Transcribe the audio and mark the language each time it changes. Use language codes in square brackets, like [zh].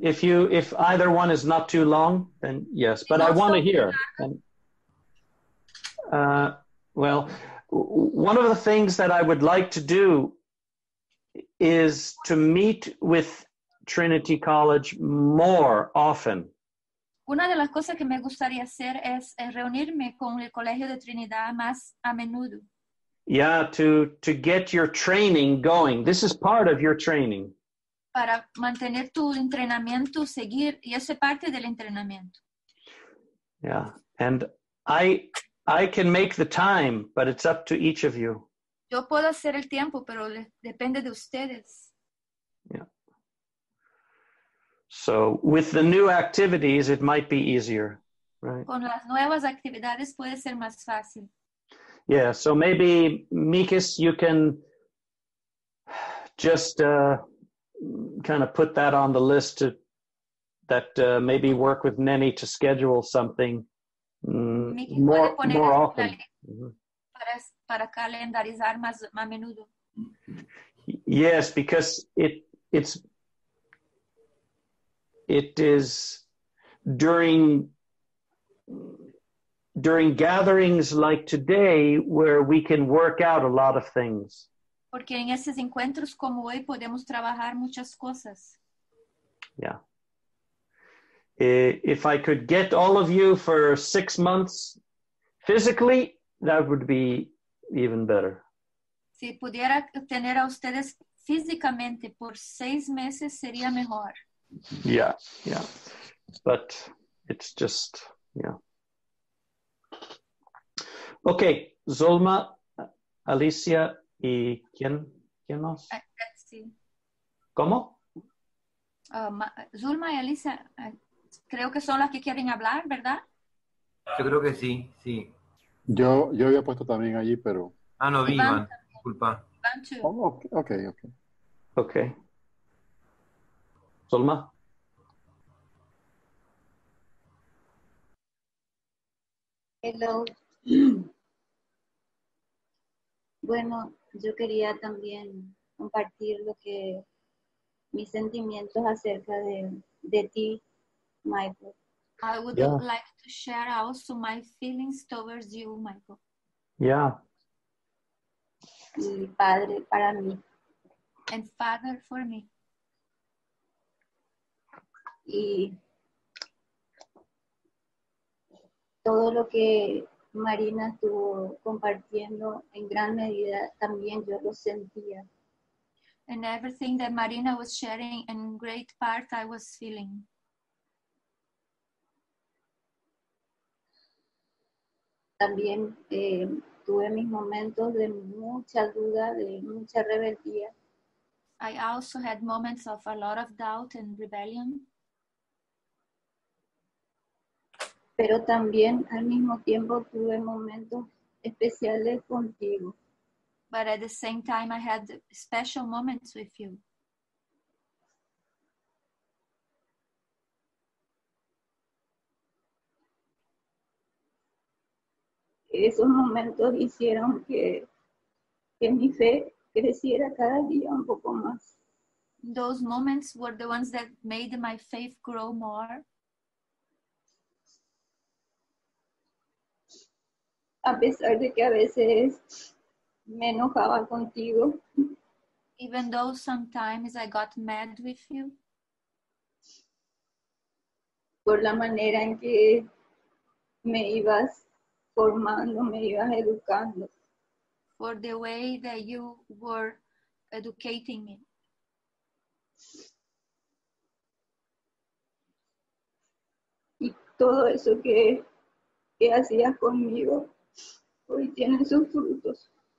[en] If either one is not too long, then yes. But I want to hear. Well, one of the things that I would like to do is to meet with Trinity College more often. [es] Una de las cosas que me gustaría hacer es reunirme con el Colegio de Trinidad más a menudo. [en] Yeah, to get your training going. This is part of your training. [es] Para mantener tu entrenamiento, seguir, y eso es parte del entrenamiento. [en] Yeah, and I can make the time, but it's up to each of you. [es] Yo puedo hacer el tiempo, pero depende de ustedes. [en] Yeah. So with the new activities, it might be easier, right? [es] Con las nuevas actividades puede ser más fácil. [en] Yeah, so maybe, Mikis, you can just kind of put that on the list maybe work with Neni to schedule something more often. [es] Para calendarizar más menudo. [en] Yes, because it is during during gatherings like today, where we can work out a lot of things. [es] Porque en esos encuentros como hoy podemos trabajar muchas cosas. [en] Yeah. If I could get all of you for 6 months physically, that would be even better. [es] Si pudiera tener a ustedes físicamente por 6 meses, sería mejor. [en] Yeah, yeah. But it's just, yeah. [es] Okay, Zulma, Alicia, y quién más? Sí. ¿Cómo? Zulma y Alicia, creo que son las que quieren hablar, ¿verdad? Yo creo que sí, sí. Yo había puesto también allí, pero... Ah, no, Iván. Iván. Disculpa. [en] Iván, too. Oh, okay. Okay. Zulma. Hello. [es] Bueno, yo quería también compartir lo que mis sentimientos acerca de ti, Michael. [en] I would yeah. like to share also my feelings towards you, Michael. Yeah. [es] Y padre para mí. [en] And father for me. [es] Y todo lo que Marina estuvo compartiendo en gran medida también yo lo sentía. [en] And everything that Marina was sharing in great part I was feeling. [es] También tuve mis momentos de mucha duda, de mucha rebeldía. [en] I also had moments of a lot of doubt and rebellion. [es] Pero también al mismo tiempo tuve momentos especiales contigo. [en] But at the same time I had special moments with you. [es] Esos momentos hicieron que mi fe creciera cada día un poco más. [en] Those moments were the ones that made my faith grow more. [es] A pesar de que a veces me enojaba contigo. [en] Even though sometimes I got mad with you. [es] Por la manera en que me ibas formando, me ibas educando. [en] For the way that you were educating me. [es] Y todo eso que hacías conmigo, hoy tiene sus frutos.